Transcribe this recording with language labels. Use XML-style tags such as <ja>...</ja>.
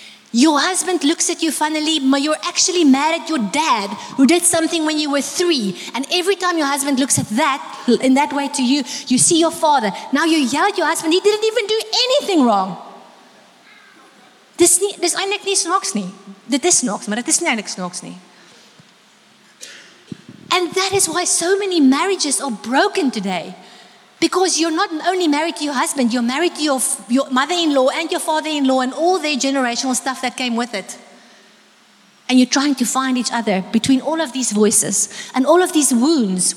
<en>Your husband looks at you funnily, but you're actually mad at your dad who did something when you were three. And every time your husband looks at that, in that way to you, you see your father. Now you yell at your husband, he didn't even do anything wrong.</en> <af>Dis eintlik nie snaaks nie. Dit is snaaks, maar dit is nie eintlik snaaks nie.</af> <en>And that is why so many marriages are broken today. Because you're not only married to your husband, you're married to your mother-in-law and your father-in-law and all their generational stuff that came with it. And you're trying to find each other between all of these voices and all of these wounds.</en>